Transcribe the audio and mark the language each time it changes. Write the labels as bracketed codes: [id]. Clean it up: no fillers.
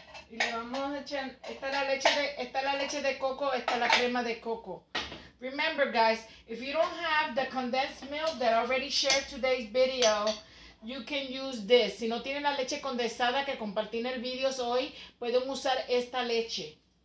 [es] Y le vamos a echar, esta es la leche de coco, esta es la crema de coco. [en] Remember guys, if you don't have the condensed milk that I already shared today's video, you can use this. [es] Si no tienen la leche condensada que compartí en el video hoy, pueden usar esta leche.